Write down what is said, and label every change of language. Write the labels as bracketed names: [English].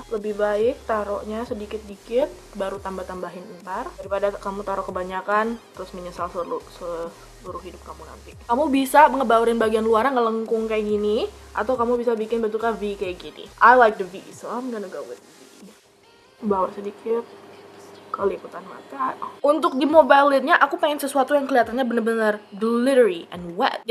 [Indonesian] Lebih baik taruhnya sedikit-dikit, baru tambah-tambahin ntar. Daripada kamu taruh kebanyakan, terus menyesal seluruh hidup kamu nanti. Kamu bisa ngebaurin bagian luarnya ngelengkung kayak gini, atau kamu bisa bikin bentuknya V kayak gini. [English] I like the V, so I'm gonna go with V. [Indonesian] Baur sedikit. Kelipatan mata. Untuk di mobile-nya aku pengen sesuatu yang kelihatannya benar-benar [English] glittery and wet.